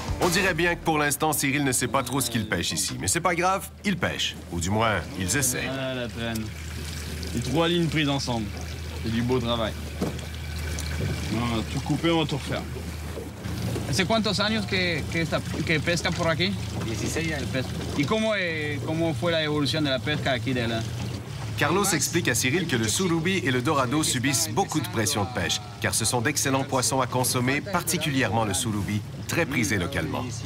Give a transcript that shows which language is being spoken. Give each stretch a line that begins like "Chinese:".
French: On dirait bien que pour l'instant, Cyril ne sait pas trop ce qu'il pêche ici. Mais c'est pas grave, il pêche. Ou du moins, ils essaient. Ah, la traîne. Les trois lignes prises ensemble. C'est du beau travail. On a tout coupé, on va tout refaire.
Spanish: ¿Hace cuántos años que pesca por aquí? 16 años. ¿Y cómo fue la evolución de la pesca aquí de la
French: Carlos explique à Cyril que le surubi et le dorado subissent beaucoup de pression de pêche, car ce sont d'excellents poissons à consommer, particulièrement le surubi, très prisé localement.